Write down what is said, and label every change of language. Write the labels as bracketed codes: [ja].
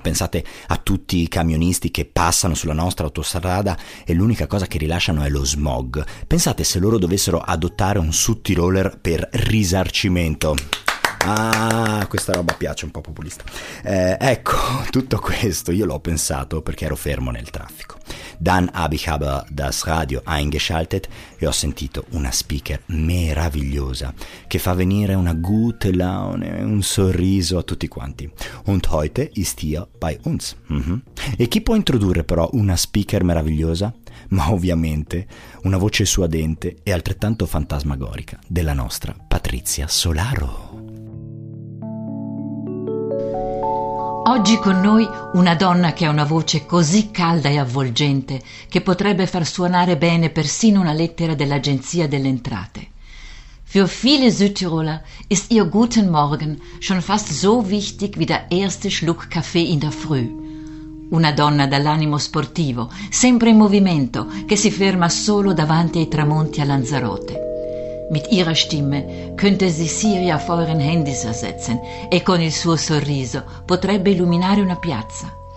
[it] Pensate a tutti i camionisti che passano sulla nostra autostrada e l'unica cosa che rilasciano è lo smog. Pensate se loro dovessero adottare un Südtiroler per risarcimento. Ah, questa roba piace, un po' populista. Ecco, tutto questo io l'ho pensato perché ero fermo nel traffico. [de] Dann habe ich aber das Radio eingeschaltet [it] e ho sentito una speaker meravigliosa che fa venire una [de] gute Laune, [it] un sorriso a tutti quanti. [de] Und heute ist hier bei uns. [it] E chi può introdurre però una speaker meravigliosa? Ma ovviamente una voce suadente e altrettanto fantasmagorica della nostra Patrizia Solaro. Oggi con noi una donna che ha una voce così calda e avvolgente che potrebbe far suonare bene persino una lettera dell'Agenzia delle Entrate. [de] Für viele Südtiroler ist ihr Guten Morgen schon fast so wichtig wie der erste Schluck Kaffee in der Früh. [it] Una donna dall'animo sportivo, sempre in movimento, che si ferma solo davanti ai tramonti a Lanzarote. [de] Mit ihrer Stimme könnte sie Siri auf euren Handys ersetzen [it] e con il suo sorriso potrebbe illuminare una piazza.